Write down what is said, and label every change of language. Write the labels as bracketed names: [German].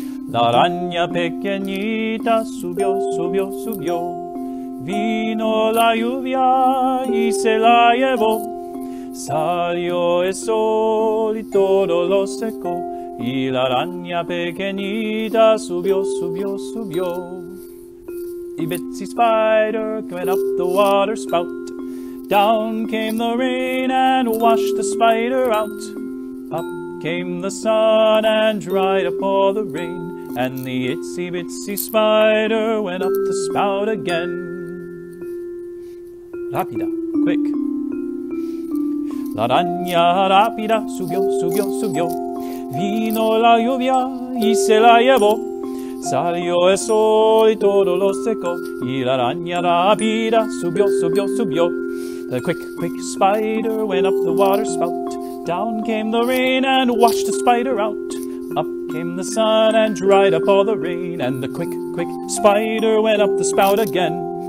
[Spanish] La araña pequeñita subió, subió, subió. Vino la lluvia y se la llevó. Salió el sol y todo lo secó. Y la araña pequeñita subió, subió, subió. [English] Itsy bitsy spider went up the water spout. Down came the rain and washed the spider out. Up came the sun and dried up all the rain. And the itsy bitsy spider went up the spout again. [Spanish] Rapida, quick. La araña rapida subió, subió, subió. Vino la lluvia y se la llevó. Salió el sol y todo lo secó. Y la araña rápida subió, subió, subió. [English] The quick, quick spider went up the water spout. Down came the rain and washed the spider out. Up came the sun and dried up all the rain. And the quick, quick spider went up the spout again.